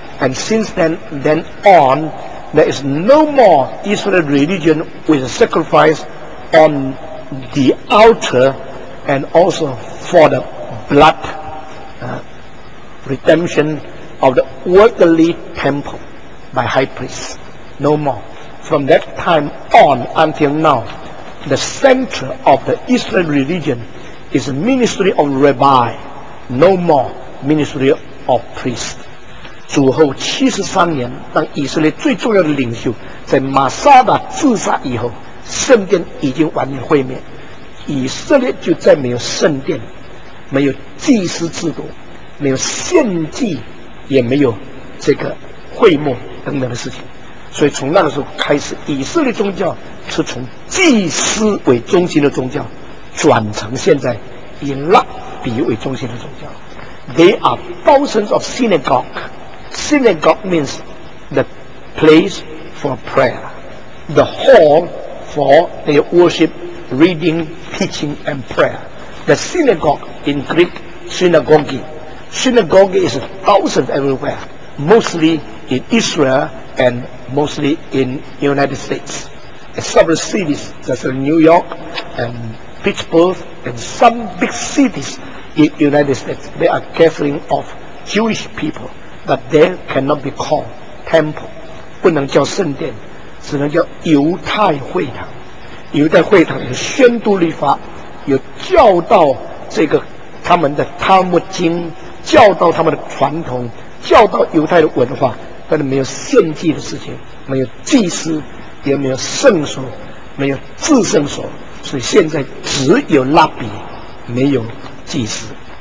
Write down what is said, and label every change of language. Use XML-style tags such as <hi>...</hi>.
<en>And since then on, there is no more Israel religion with a sacrifice on the altar and also for the blood redemption of the worldly temple by high priests. No more. From that time on until now, the center of the Israel religion is the ministry of rabbi. No more ministry ofOf priest.</en> <zh>主后73年，当以色列最重要的领袖在马萨达自杀以后，圣殿已经完全毁灭，以色列就再没有圣殿，没有祭司制度，没有献祭，也没有这个会幕等等的事情。所以从那个时候开始，以色列宗教是从祭司为中心的宗教转成现在以拉比为中心的宗教。</zh> <en>They are thousands of synagogue. Synagogue means the place for prayer, the hall for their worship, reading, teaching, and prayer. The synagogue in Greek, synagogi. Synagogi is a thousand everywhere, mostly in Israel and mostly in the United States. And several cities, such as New York and Pittsburgh, and some big cities in the United States, they are gathering of Jewish people, but they cannot be called temple.</en> <zh>不能叫圣殿，只能叫犹太会堂。犹太会堂有宣读律法，有教导这个他们的塔木经，教导他们的传统，教导犹太的文化，但是没有献祭的事情，没有祭司，也没有圣所，没有至圣所，所以现在只有拉比，没有祭司。</zh>